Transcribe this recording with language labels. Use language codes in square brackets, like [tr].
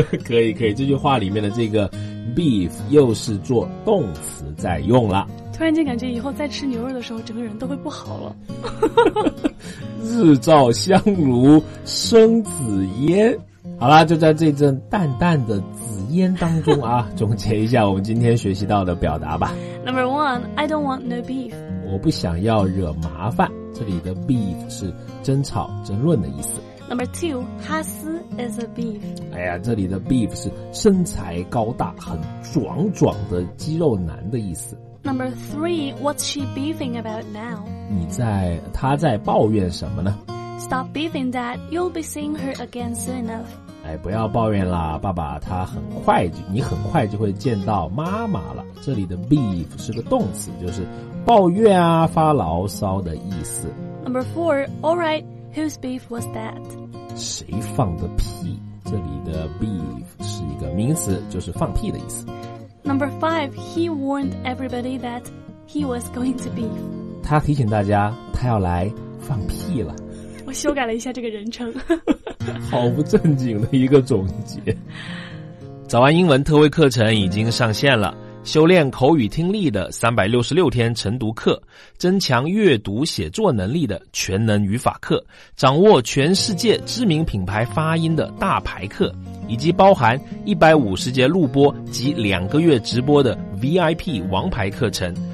[zh] 可以可以，这句话里面的这个 beef 又是做动词在用了。突然间感觉以后再吃牛肉的时候整个人都会不好了。日照香炉生紫烟。好啦，就在这阵淡淡的紫烟当中啊，总结一下我们今天学习到的表达吧。 [en] Number one, I don't want no beef. [zh] 我不想要惹麻烦，这里的 beef 是争吵争论的意思。 [en] Number two, 哈斯 is a beef. [zh] 哎呀，这里的 beef 是身材高大很壮壮的肌肉男的意思。 [en] Number three, what's she beefing about now? [zh] 你在，她在抱怨什么呢？ [en] Stop beefing, Dad. You'll be seeing her again soon enough. [zh] 哎，不要抱怨啦，爸爸，她很快就，你很快就会见到妈妈了。这里的 beef 是个动词，就是抱怨啊，发牢骚的意思。 [en] Number four, all right, whose beef was that? [zh] 谁放的屁？这里的 beef 是一个名词，就是放屁的意思。 [en] Number five, he warned everybody that he was going to beef. [zh] 他提醒大家，他要来放屁了。我修改了一下这个人称。好不正经的一个总结。早安英文特惠课程已经上线了，修炼口语听力的366天晨读课，增强阅读写作能力的全能语法课，掌握全世界知名品牌发音的大牌课，以及包含150节录播及两个月直播的 VIP 王牌课程。